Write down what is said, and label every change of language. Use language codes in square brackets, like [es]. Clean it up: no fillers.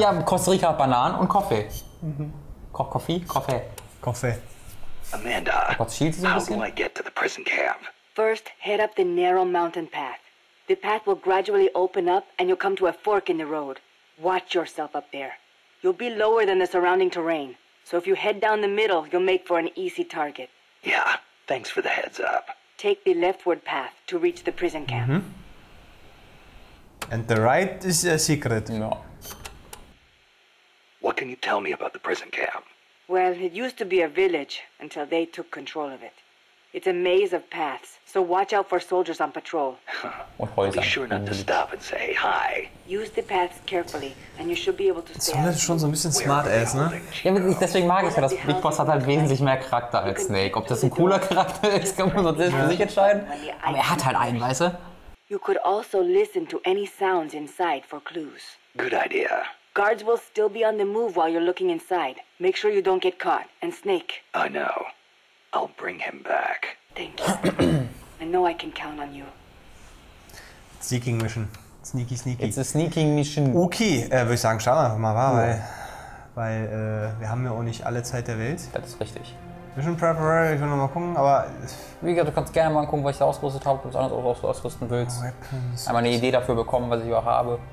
[de] Ja, Costa Rica hat Bananen und Kaffee. Mhm. Kaffee? Kaffee. Kaffee. [en] Amanda, how do I get to the prison camp? First, head up the narrow mountain path. The path will gradually open up and you'll come to a fork in the road. Watch yourself up there. You'll be lower than the surrounding terrain. So if you head down the middle, you'll make for an easy target. Yeah, thanks for the heads up. Take the leftward path to reach the prison camp. Mm-hmm. And the right is a secret. No. What can you tell me about the prison camp? Well, it used to be a village until they took control of it. It's a maze of paths, so watch out for soldiers on patrol. What Häuser? Be sure not to stop and say hi. Use the paths carefully, and you should be able to stay. [de] Sollte schon so ein bisschen smart ass, ne? Ja, deswegen mag ich ja, das Big Boss hat halt wesentlich mehr Charakter als Snake. Ob das ein cooler Charakter ist, kann man sonst selbst für sich entscheiden. Aber er hat halt einen, weißt du? [en] You could also listen to any sounds inside for clues. Good idea. Guards will still be on the move while you're looking inside. Make sure you don't get caught. And Snake. I know. I'll bring him back. Thank you. I know I can count on you. Sneaking mission. Sneaky, sneaky. It's a sneaking mission. [de] Okay, würde ich sagen, schauen wir einfach mal, war, weil wir haben ja auch nicht alle Zeit der Welt. Das ist richtig. Mission Preparatory, ich will nochmal gucken, aber... Wie gesagt, du kannst gerne mal gucken, was ich da ausgerüstet habe, ob du es anders auch so ausrüsten willst. Weapons. Einmal eine Idee dafür bekommen, was ich auch habe.